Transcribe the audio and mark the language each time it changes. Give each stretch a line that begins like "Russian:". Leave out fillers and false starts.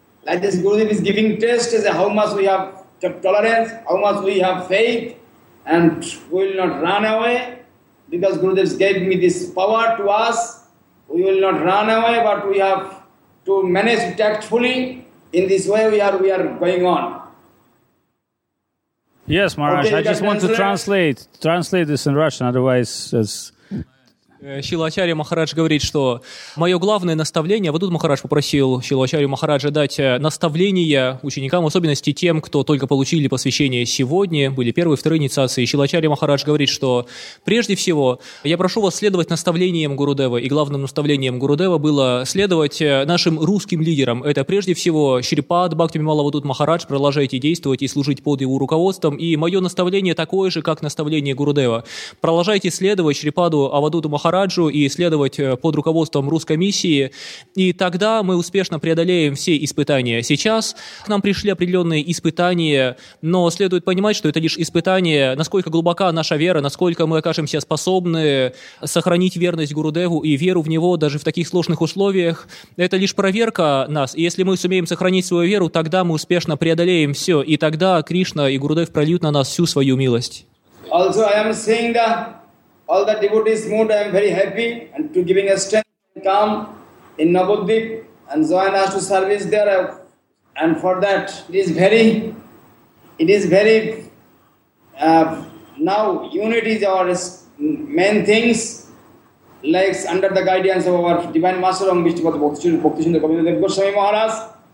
English: Like this, Gurudev is giving test as how much we have tolerance, how much we have faith, and we will not run away, because Gurudev gave me this power to us. We will not run away, but we have to manage tactfully. In this way we are going on. Yes, Maharaj, okay, I just want to translate this in Russian, otherwise it's...
Russian: Шрила Ачарья Махарадж говорит, что мое главное наставление, вот тут Махарадж попросил Шрилу Ачарью Махараджа дать наставление ученикам, в особенности тем, кто только получили посвящение сегодня, были первые, вторые инициации. Шрила Ачарья Махарадж говорит, что прежде всего я прошу вас следовать наставлениям Гурудева, и главным наставлением Гурудева было следовать нашим русским лидерам. Это прежде всего Шрипад Бхакти Бимала Вадут Махарадж, продолжайте действовать и служить под его руководством. И мое наставление такое же, как наставление Гурудева. Продолжайте следовать Шрипаду Авадуту Махараджу и следовать под руководством русской миссии, и тогда мы успешно преодолеем все испытания. Сейчас к нам пришли определенные испытания, но следует понимать, что это лишь испытание, насколько глубока наша вера, насколько мы окажемся способны сохранить верность Гурудеву и веру в него даже в таких сложных условиях. Это лишь проверка нас, и если мы сумеем сохранить свою веру, тогда мы успешно преодолеем все, и тогда Кришна и Гурудев прольют на нас всю свою милость.
English: Also, I am saying that all the devotees' mood, I am very happy and to giving a strength to come in Navadvip and join us to service there. And for that, now unity is our main things, like under the guidance of our Divine Master, Om Vishnupada Bhaktisiddhanta Kavindadev Goswami Maharaj.